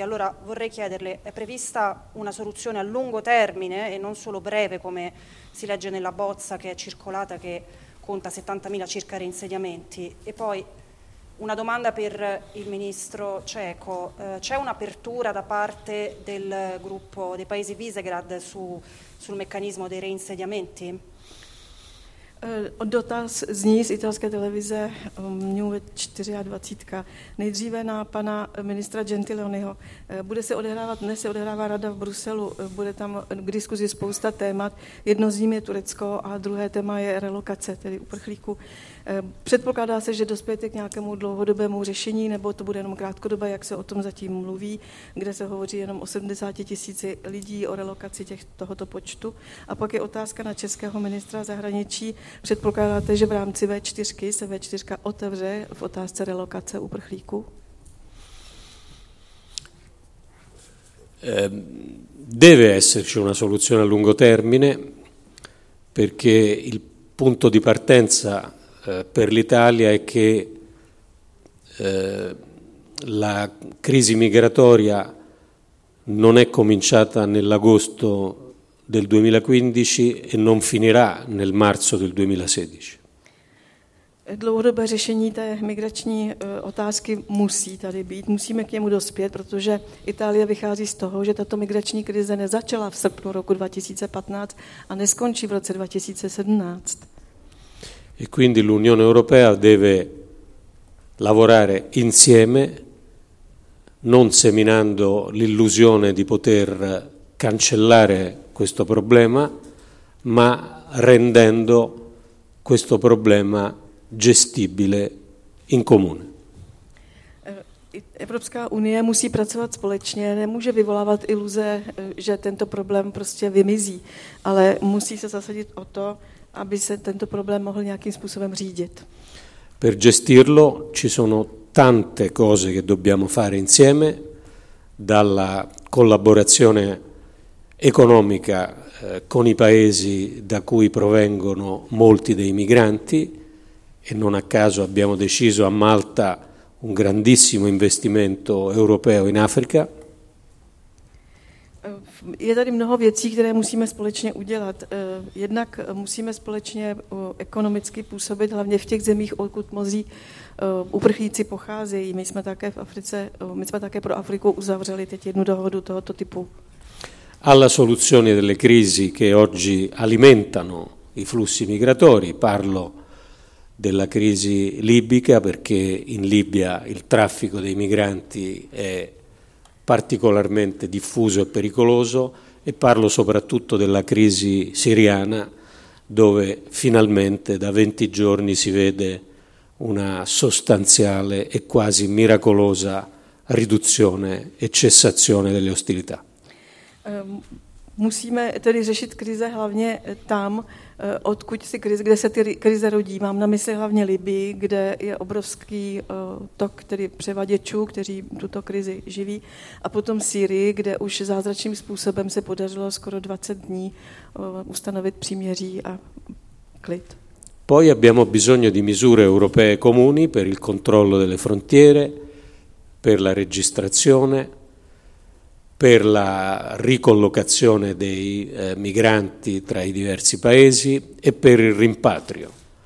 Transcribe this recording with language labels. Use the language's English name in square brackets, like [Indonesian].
[Italian] Allora vorrei chiederle, è prevista una soluzione a lungo termine e non solo breve, come si legge nella bozza che è circolata, che conta 70.000 circa reinsediamenti? E poi una domanda per il ministro ceco. C'è un'apertura da parte del gruppo dei paesi Visegrad sul meccanismo dei reinsediamenti? [Czech] Dotaz zní z italské televize New 24. Nejdříve na pana ministra Gentiloniho. Dnes se odehrává rada v Bruselu, bude tam k diskuzi spousta témat. Jedno z nich je Turecko a druhé téma je relokace, tedy uprchlíku. Předpokládá se, že dospějete k nějakému dlouhodobému řešení, nebo to bude jenom krátkodobé, jak se o tom zatím mluví, kde se hovoří jenom o 70 000 lidí, o relokaci tohoto počtu. A pak je otázka na českého ministra zahraničí. Předpokládáte, že v rámci V4 se V4 otevře v otázce relokace uprchlíků? [Italian] Deve esserci una soluzione a lungo termine, perché il punto di partenza per l'Italia è che la crisi migratoria non è cominciata nell'agosto del 2015 e non finirà nel marzo del 2016. [Czech] Dlouhodobé řešení té migrační otázky musí tady být. Musíme k němu dospět, protože Itálie vychází z toho, že tato migrační krize nezačala v srpnu roku 2015 a neskončí v roce 2017. [Italian] E quindi l'Unione Europea deve lavorare insieme, non seminando l'illusione di poter cancellare questo problema, ma rendendo questo problema gestibile in comune. [Czech] Evropská unie musí pracovat společně, nemůže vyvolávat iluze, že tento problém prostě vymizí, ale musí se zasadit o to, aby se tento problém mohl nějakým způsobem řídit. [Italian] Per gestirlo ci sono tante cose che dobbiamo fare insieme, dalla collaborazione economica con i paesi da cui provengono molti dei migranti, e non a caso abbiamo deciso a Malta un grandissimo investimento europeo in Africa. [Czech] Je tady mnoho věcí, které musíme společně udělat. Jednak musíme společně ekonomicky působit, hlavně v těch zemích, odkud mnozí uprchlíci pocházejí. My jsme také pro Afriku uzavřeli teď jednu dohodu tohoto typu. [Italian] Alla soluzione delle crisi che oggi alimentano i flussi migratori, parlo della crisi libica perché in Libia il traffico dei migranti è particolarmente diffuso e pericoloso e parlo soprattutto della crisi siriana dove finalmente da 20 giorni si vede una sostanziale e quasi miracolosa riduzione e cessazione delle ostilità. [Czech] Musíme tedy řešit krize hlavně tam, odkud si krize, kde se ty krize rodí. Mám na mysli hlavně Libii, kde je obrovský tok tedy převaděčů, kteří tuto krizi živí. A potom Sýrii, kde už zázračným způsobem se podařilo skoro 20 dní ustanovit příměří a klid. [Italian] Poi abbiamo bisogno di misure europee comuni per il controllo delle frontiere, per la registrazione, per la ricollocazione dei migranti tra i diversi paesi e per il rimpatrio.